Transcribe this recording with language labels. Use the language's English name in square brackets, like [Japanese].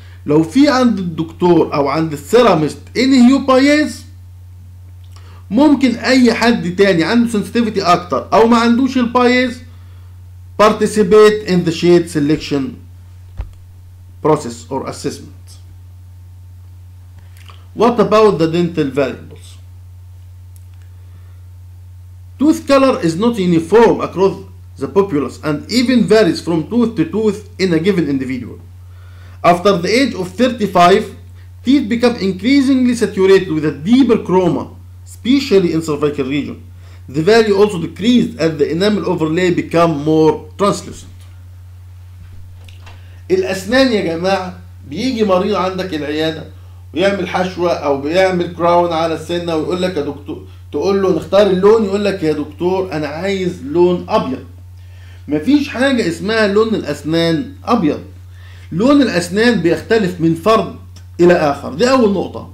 [Arabic] لو في عند الدكتور أو عند السيراميست إنهيو بايز، ممكن أي حد تاني عنده سنسيتيفيتي أكتر أو ما عندوش البايز [English] participate in the shade selection process or assessment. What about the dental variables? Tooth color is not uniform across the populace and even varies from tooth to tooth in a given individual. After the age of 35, teeth become increasingly saturated with a deeper chroma, especially in cervical region. The value also decreased as the enamel overlay become more translucent. [Arabic] الأسنان يا جماعة، بيجي مريض عندك العيادة ويعمل حشوة أو بيعمل كراون على السنة ويقول لك يا دكتور، تقول له نختار اللون، يقول لك يا دكتور أنا عايز لون أبيض. مفيش حاجة اسمها لون الأسنان أبيض. لون الأسنان بيختلف من فرد إلى آخر، دي أول نقطة.